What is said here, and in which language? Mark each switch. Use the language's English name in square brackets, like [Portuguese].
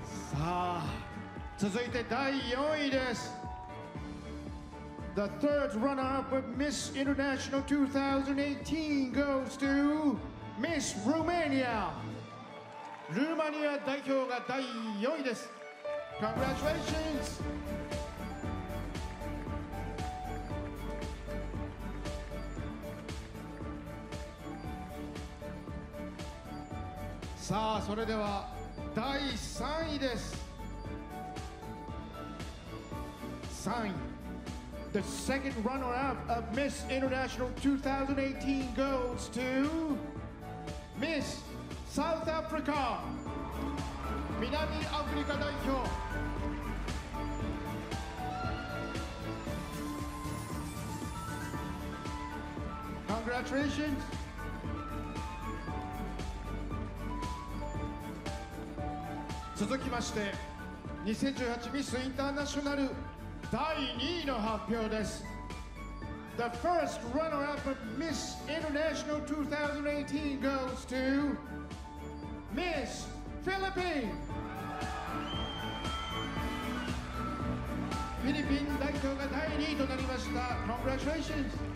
[Japanese] さあ、続いて第4位です。 [English] The third runner-up of Miss International 2018 goes to Miss Romania. [Japanese] ルーマニア代表が第4位です。 [English] Congratulations! [Japanese] さあ、それでは第3位です。 3位、 [English] The second runner-up of Miss International 2018 goes to Miss South Africa. [Japanese] 南アフリカ代表。 [English] Congratulations! [Japanese] 続きまして、2018 Miss International第2位の発表です。 [English] The first runner-up of Miss International 2018 goes to Miss Philippines. [Japanese] フィリピン代表が第2位となりました。 [English] Congratulations!